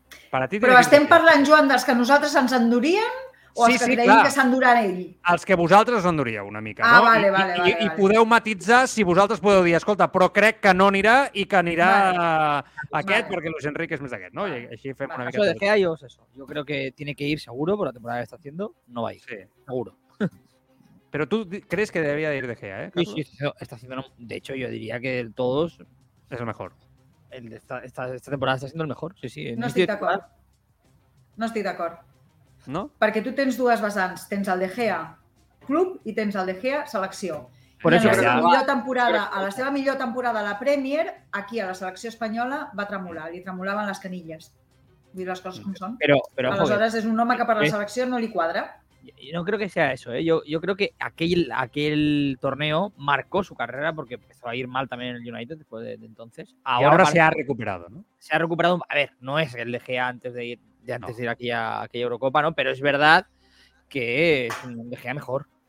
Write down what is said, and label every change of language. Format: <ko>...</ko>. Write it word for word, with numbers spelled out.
<ca>Però estem parlant, Joan, dels que nosaltres ens endurien o els sí, sí, que creiem que s'enduran ell? Els que vosaltres enduríeu una mica, ah, no? Vale, vale, I, vale, i, vale. I podeu matitzar si vosaltres podeu dir, escolta, però crec que no anirà i que anirà vale. aquest, vale. perquè Luis Enrique és més aquest, no? I així fem vale. una mica...</ca> <es>Eso de Gea yo es eso. Yo creo que tiene que ir seguro por la temporada que está haciendo. No va a ir. Sí. Seguro. Pero tú crees que debería ir De Gea, ¿eh? Sí, sí, está haciendo... De hecho, yo diría que todos... Es el mejor. El esta, esta, esta</es> <ca>temporada està sent el millor, sí, sí. No estic d'acord. No estic d'acord. No? Perquè tu tens dues vessants. Tens el De Gea club i tens el De Gea selecció.</ca> <es>Por eso, a, la ja.</es> <ca>millor temporada, a la seva millor temporada a la Premier, aquí a la selecció espanyola va tremolar. Li tremolaven les canilles. Vull dir les coses com són.</ca> <es>Pero, pero,</es> <ca>Aleshores joder. És un home que per la selecció no li quadra.</ca> <es>Yo no creo que sea eso, ¿eh? Yo, yo creo que aquel, aquel torneo marcó su carrera porque empezó a ir mal también en el United después de, de entonces. Ahora, ahora se ha recuperado, ¿no? Se ha recuperado. A ver, no es el De Gea antes de ir, de antes no. de ir aquí a aquella Eurocopa, ¿no? Pero es verdad que es un De Gea mejor.</es>